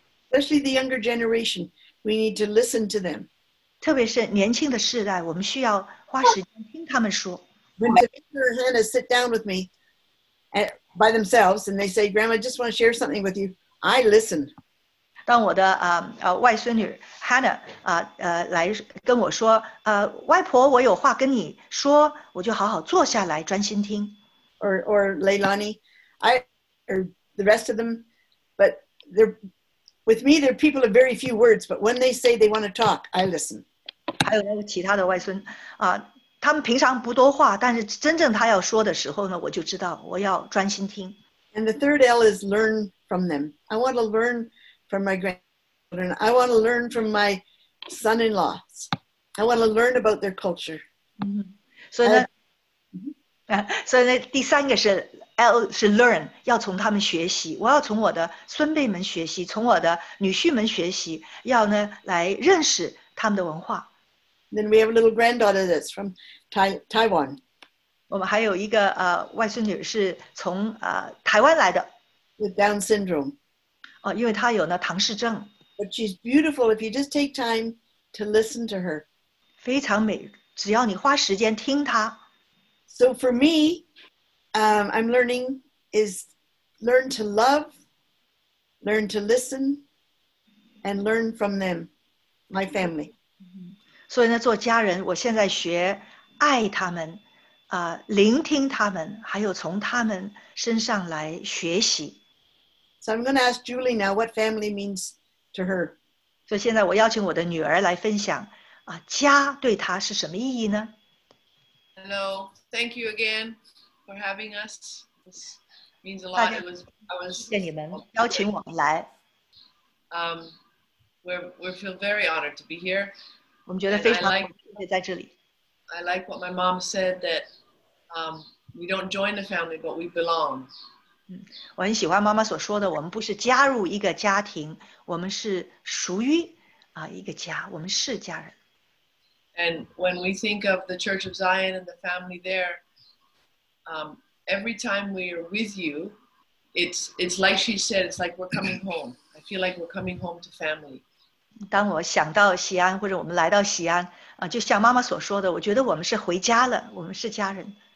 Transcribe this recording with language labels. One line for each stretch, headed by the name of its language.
English: Especially the younger generation, we need to listen to them. Especially the younger generation, we need to listen to them. When Peter and Hannah sit down with me by themselves and they say, Grandma, I just want to share something with you, I listen.
Chinese: 当我的外孙女 Hannah 来跟我说外婆我有话跟你说，我就好好坐下来专心听。
English: Or Leilani, or the rest of them, but with me they're people of very few words. But when they say they want to talk, I listen.
Chinese: 还有其他的外孙他们平常不多话，但是真正他要说的时候呢，我就知道我要专心听。
English: And the third L is learn from them. I want to learn. From my grandchildren, I want to learn from my son-in-laws. I want to learn about their culture. So, so the
Chinese: 第三个是 L 是 learn， 要从他们学习。我要从我的孙辈们学习，从我的女婿们学习，要呢来认识他们的文化。
English: Then we have a little granddaughter that's from Taiwan.
Chinese: 我们还有一个外孙女是从台湾来的。
English: With Down syndrome.
Chinese: 因为她有呢唐氏症。
English: But she's beautiful if you just take time to listen to her.
Chinese: 非常美，只要你花时间听她。
English: So for me, I'm learning is learn to love, learn to listen, and learn from them, my family.
Chinese: 所以呢，做家人，我现在学爱他们，聆听他们，还有从他们身上来学习。
English: So I'm going to ask Julie now what family means to her. So
Chinese: 现在我邀请我的女儿来分享家对她是什么意义呢？
English: Hello, thank you again for having us. This means a lot. I was
Chinese: 谢谢你们邀请我们来。
English: We feel very honored to be here.
Chinese: 我们觉得非常荣幸在这里。
English: I like what my mom said that we don't join the family, but we belong.
Chinese: 我很喜欢妈妈所说的，我们不是加入一个家庭，我们是属于一个家，我们是家人。
English: And when we think of the Church of Zion and the family there, every time we are with you, it's like she said, it's like we're coming home. I feel like we're coming home to family.
Chinese: 当我想到西安，或者我们来到西安。就像妈妈所说的，我觉得我们是回家了，我们是家人。